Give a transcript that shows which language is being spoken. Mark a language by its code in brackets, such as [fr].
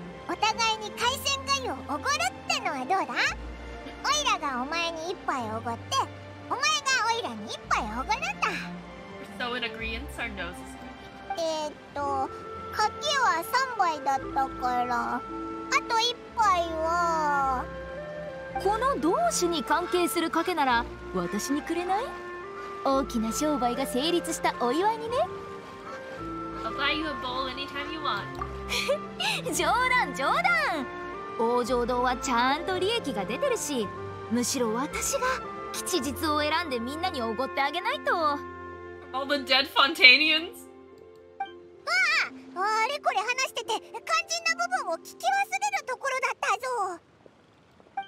[ja] お互いに海鮮粥をおごるってのはどうだ。オイラがお前に一杯おごって、お前がオイラに一杯おごるんだ。 [en] We're so in agreement, our noses. [ja] 賭けは三杯だったから、あと一杯は。この同士に関係する賭けなら私にくれない？大きな商売が成立したお祝いにね。 [en] I'll buy you a bowl anytime you want. [ja] 冗談冗談。往生堂はちゃんと利益が出てるし、むしろ私が吉日を選んでみんなにおごってあげないと。 [en] All the dead Fontanians。 [ja] わあ、あれこれ話してて肝心な部分を聞き忘れるところだったぞ。